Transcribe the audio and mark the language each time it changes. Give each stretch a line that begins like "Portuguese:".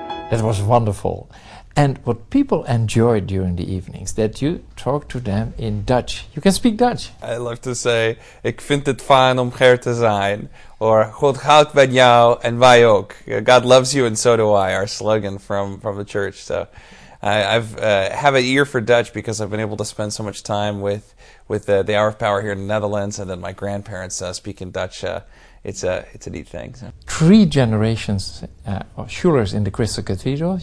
English: That was wonderful. And what people enjoyed during the evenings, that you talk to them in Dutch. You can speak Dutch. I love to say,
Dutch: ik vind het fijn om hier te zijn. Or, God houdt van jou en wij ook.
English: God loves you and so do I, our slogan from the church. So I have an ear for Dutch because I've been able to spend so much time with the Hour of Power here in the Netherlands. And then my grandparents speak in Dutch. It's a neat thing. So. Three generations of Schulers in the Crystal Cathedral.